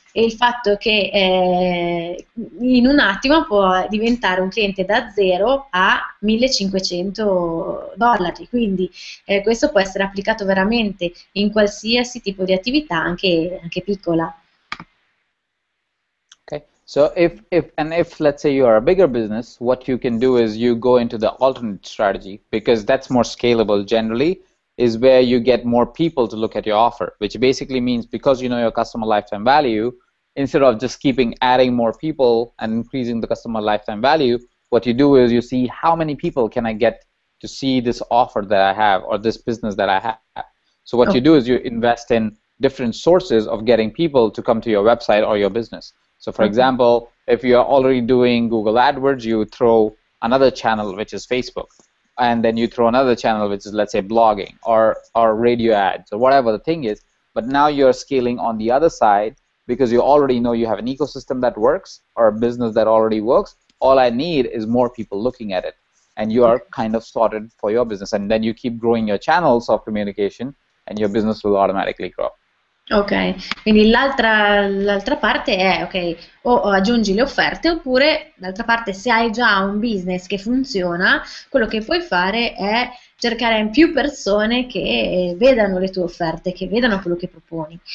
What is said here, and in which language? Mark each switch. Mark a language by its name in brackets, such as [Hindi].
[Italian] E il fatto che in un attimo può diventare un cliente da 0 a 1500 dollari. Quindi questo può essere applicato veramente in qualsiasi tipo di attività, anche piccola. [English] Okay. So if let's say you are a bigger business, what you can do is you go into the alternate strategy, because that's more scalable generally. Is where you get more people to look at your offer, which basically means because you know your customer lifetime value, instead of just keeping adding more people and increasing the customer lifetime value, what you do is you see how many people can I get to see this offer that I have or this business that I have. So what you do is you invest in different sources of getting people to come to your website or your business. So for example, if you are already doing Google AdWords, you throw another channel, which is Facebook, and then you throw another channel, which is, let's say, blogging or radio ads or whatever the thing is. But now you're scaling on the other side, because you already know you have an ecosystem that works or a business that already works. All I need is more people looking at it, and you are kind of sorted for your business, and then you keep growing your channels of communication and your business will automatically grow. [Italian] Ok, quindi l'altra parte è ok, o aggiungi le offerte, oppure l'altra parte, se hai già un business che funziona, quello che puoi fare è cercare più persone che vedano le tue offerte, che vedano quello che proponi.